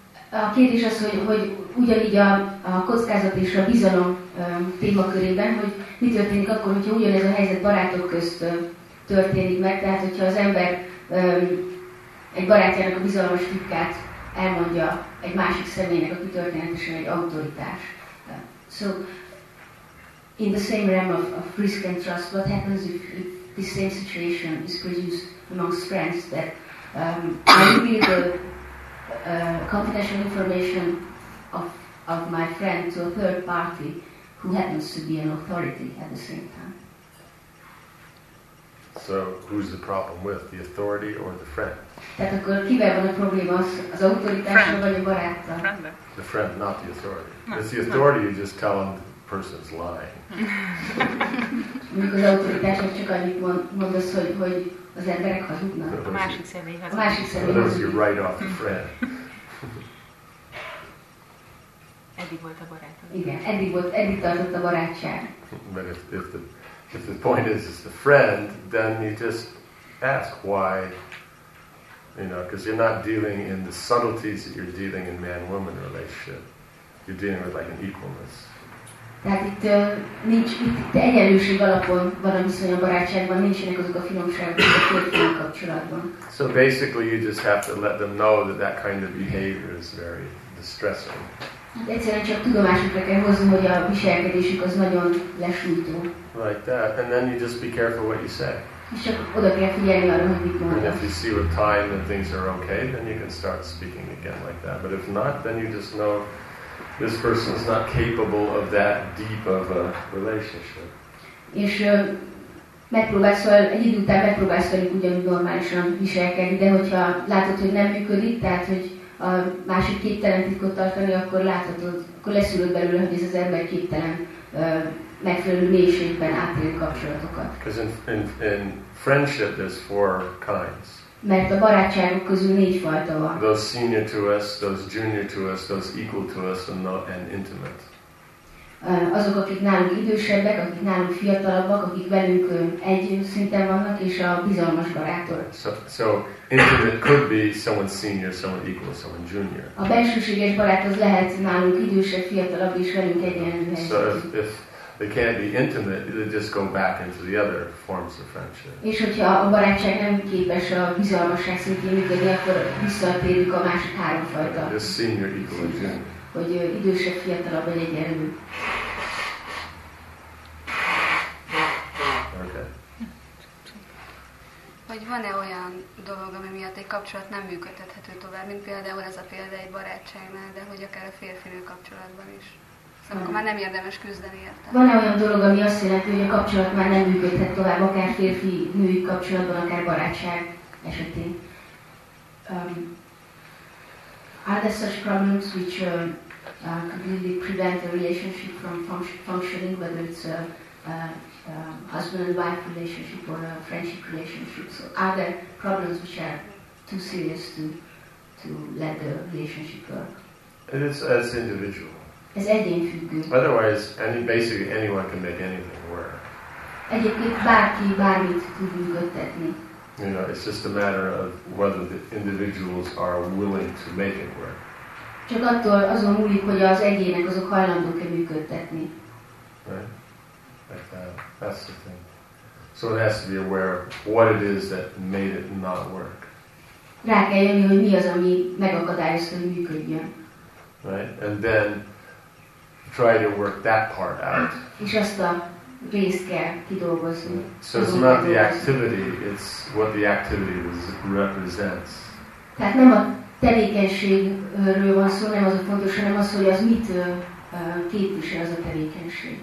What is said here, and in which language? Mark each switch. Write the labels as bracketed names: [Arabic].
[Hungarian] A kérdés az, hogy ugyanígy a kockázat és a bizalom témakörében, hogy mi történik akkor, hogyha ugyanez a helyzet barátok közt történik meg, tehát hogyha az ember egy barátjának a bizalmas titkát elmondja egy másik személynek, aki történetesen egy autoritás. [English] So, in the same realm of risk and trust, what happens if this same situation is produced amongst friends that maybe the confidential information of my friend to a third party who happens to be an authority at the same time. So who's the problem with, the authority or the friend? [Hungarian] Tehát akkor kivel van a probléma, az autoritással vagy a baráttal? [English] The friend, not the authority. No. It's the authority, no. You just tell them the person's lying. [Hungarian] Mondjuk az autoritásnak csak annyit mondasz, hogy az emberek hazudnak. A másik személy hazudik. A másik személy hazudik. [English] Or those you write off the friend. [Hungarian] Eddig volt a barátod. Igen, eddig tartott a barátság. [English] But if the point is the friend, then you just ask why, you know, because you're not dealing in the subtleties that you're dealing in man-woman relationship. You're dealing with like an equalness. [Hungarian] Tehát itt nincs, itt egyenlőség alapon van a viszony a barátságban, nincsenek azok a finomságok a kérdő kapcsolatban. [English] So basically you just have to let them know that that kind of behavior is very distressing. [Hungarian] Egyszerűen csak tudomásukra kell hozni, hogy a viselkedésük az nagyon lesújtó. [English] Like that, and then you just be careful what you say. [Hungarian] És csak oda kell figyelni arra, hogy mit mondasz. [English] And if you see with time that things are okay, then you can start speaking again like that. But if not, then you just know this person is not capable of that deep of a relationship. [Hungarian] És megpróbálsz velük ugyanúgy normálisan viselkedni, de hogyha látod, hogy nem működik, tehát hogy a másik képtelen titkot tartani, akkor láthatod, akkor leszülöd belőle, hogy ez az ember képtelen megfelelő mélységben átélni kapcsolatokat. [English] In friendship there's four kinds. [Hungarian] Mert a barátságok közül négy fajta van. [English] Those senior to us, those junior to us, those equal to us, and intimate. [Hungarian] Azok, akik nálunk idősebbek, akik nálunk fiatalabbak, akik velünk egy szinten vannak, és a bizalmas barátok. [English] So intimate could be someone senior, someone equal, someone junior. [Hungarian] A bensőséges barát az lehet nálunk idősebb, fiatalabb, és velünk egyenlő helyzetű. [English] So if they can't be intimate, they just go back into the other forms of friendship. [Hungarian] És hogyha a barátság nem képes a bizalmasság szintjén működni, akkor visszatérünk a másik három fajta. [English] Just senior, equal, and junior. [Hungarian] Hogy idősebb, fiatalabb, vagy egyenlő. Vagy van-e olyan dolog, ami miatt egy kapcsolat nem működhethető tovább, mint például ez a példa egy barátságnál, de hogy akár a férfinő kapcsolatban is. Szóval akkor már nem érdemes küzdeni érte. Van-e olyan dolog, ami azt jelenti, hogy a kapcsolat már nem működhet tovább, akár férfi-női kapcsolatban, akár barátság esetén? [English] Are there such problems which completely prevent the relationship from functioning, whether it's husband and wife relationship or a friendship relationship? So are there problems which are too serious to let the relationship work? It is as individual. [Hungarian] Ez egyénfüggő. [English] Otherwise, basically anyone can make anything work. [Hungarian] Egyébként bárki bármit tud működtetni. [English] You know, it's just a matter of whether the individuals are willing to make it work. [Hungarian] Csak attól azon múlik, hogy az egyének azok hajlandók-e működtetni. [English] Right? That's the thing. So it has to be aware of what it is that made it not work. [Hungarian] Rá kell jönni, hogy mi az, ami megakadályozta, hogy működjön. [English] Right? And then try to work that part out. [Hungarian] És azt a részt kell kidolgozni. [English] So it's not the activity, it's what the activity represents. [Hungarian] Tehát nem a tevékenységről van szó, nem az a fontos, hanem az, hogy az mit képvisel az a tevékenység.